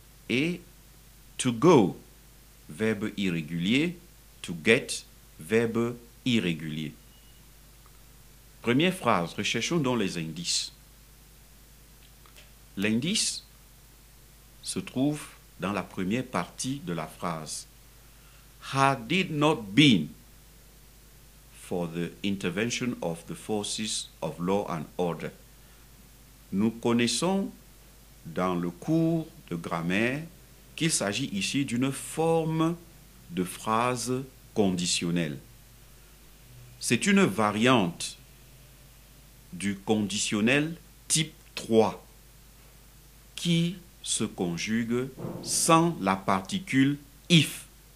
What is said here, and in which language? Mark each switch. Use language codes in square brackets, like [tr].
[fr] Et to go, verbe irrégulier. To get, verbe irrégulier. Première phrase, recherchons donc les indices. L'indice se trouve dans la première partie de la phrase. [en] Had it not been for the intervention of the forces of law and order. [fr] Nous connaissons dans le cours de grammaire qu'il s'agit ici d'une forme de phrase conditionnelle. C'est une variante du conditionnel type 3 qui se conjugue sans la particule if.